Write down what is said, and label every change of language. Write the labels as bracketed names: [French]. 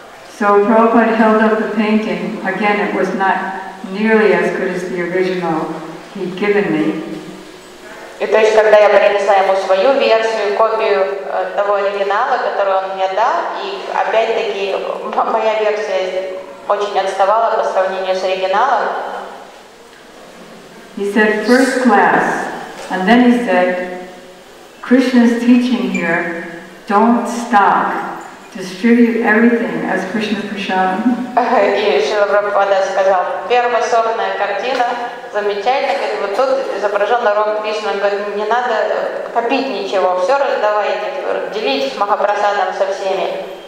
[English] So Prabhupada held up the painting. Again, it was not nearly as good as the original he'd given me. [Russian] И то есть, когда я принесла ему свою версию, копию того оригинала, который он мне дал, и опять-таки моя версия очень отставала по сравнению с оригиналом. [English] He said, first class. And then he said, Krishna's teaching here, don't stop. distribute everything as Krishna Prasadam. [Russian] И Шрила Прабхупада сказал, первая сорная картина, замечательно, как вот тут изображен Рог Кришна, говорит, не надо копить ничего, все раздавайте, делитесь Махапрасадом со всеми.